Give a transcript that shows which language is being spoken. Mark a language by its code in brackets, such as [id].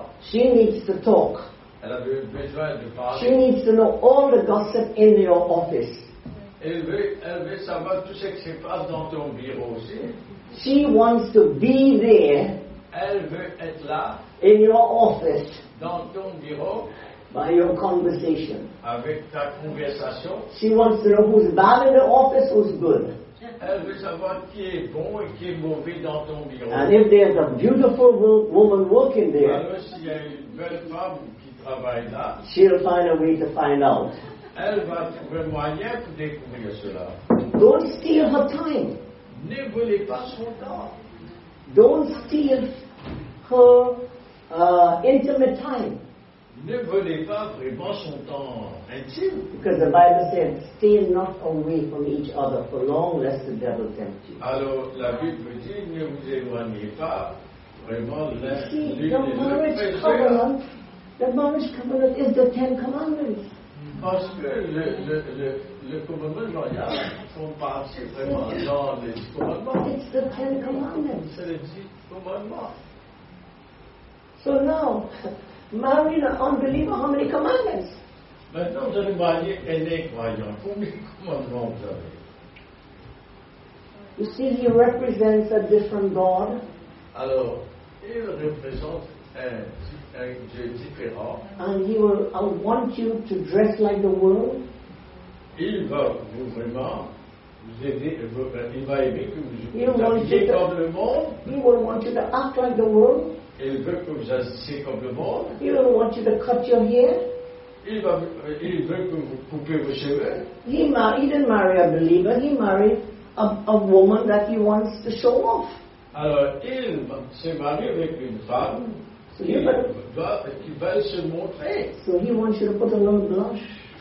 [en] She needs to talk. She needs to know all the gossip in your office. [fr] Elle veut savoir tout ce qui se passe dans ton bureau aussi. [en] She wants to be there. [fr] Elle veut être là. [en] In your office. [fr] Dans ton bureau. [en] by your conversation. [fr] Avec ta conversation. [en] She wants to know who's bad in the office, who's good. [fr] Elle veut savoir qui est bon et qui est mauvais dans ton bureau. [en] And if there's a beautiful woman working there, [fr] alors, si y a une belle femme qui travaille là, [en] she'll find a way to find out. [fr] Elle va trouver un moyen pour découvrir cela. [en] Don't steal her time. [fr] Ne volez pas son temps. [en] Don't steal her intimate time. [fr] Ne volez pas vraiment son temps intime. [en] Because the Bible said, stay not away from each other for long, lest the devil tempt you. [fr] Alors, la Bible me dit, ne vous éloignez pas vraiment, lest [en] the marriage covenant is the Ten Commandments. [fr] Parce que le commandement loyal font partie vraiment dans les commandements. [en] It's the Ten Commandments. [fr] C'est les 10 commandements. [en] So now, marry an unbeliever, how many commandments? [fr] Maintenant, vous allez marier un incroyant. Combien de commandements vous avez? [en] You see, he represents a different God. [fr] Alors, il représente un. [en] And he will want you to dress like the world. [fr] Il va vous vraiment vous aider. Il va aimer que vous agissiez comme le monde. [en] He will want you to act like the world. [fr] Il veut que vous agissiez comme le monde. [en] He will want you to cut your hair. [fr] Il veut que vous coupiez vos cheveux. [en] He didn't marry a believer. He married a woman that he wants to show off. [fr] Alors il s'est marié avec une femme. [en] So he wants you to put a little blush.